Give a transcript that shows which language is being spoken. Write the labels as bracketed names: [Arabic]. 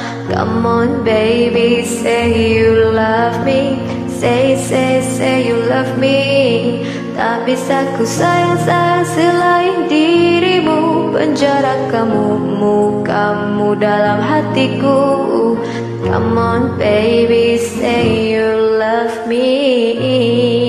[English] Come on baby, say you love me. Say you love me. [Indonesian] Tak bisa ku sayang selain dirimu. Penjara kamu, mukamu dalam hatiku. [English] Come on baby, say you love me.